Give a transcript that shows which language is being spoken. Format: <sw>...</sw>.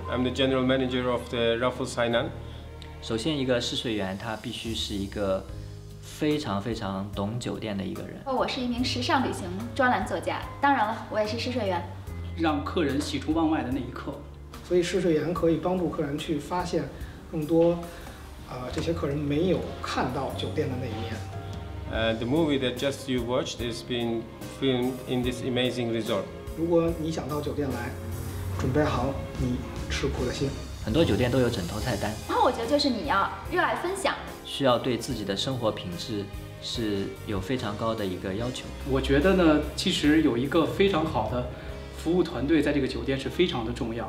<en>I'm the general manager of the Raffles Hainan.</en> <zh>首先，一个试睡员他必须是一个非常非常懂酒店的一个人。我是一名时尚旅行专栏作家，当然了，我也是试睡员。让客人喜出望外的那一刻，所以试睡员可以帮助客人去发现更多，这些客人没有看到酒店的那一面。</zh> <en>The movie that just you watched is being filmed in this amazing resort.</en> <zh>如果你想到酒店来，准备好你吃苦的心。很多酒店都有枕头菜单，然后我觉得就是你要热爱分享，需要对自己的生活品质是有非常高的一个要求。我觉得呢，其实有一个非常好的服务团队在这个酒店是非常的重要，</zh>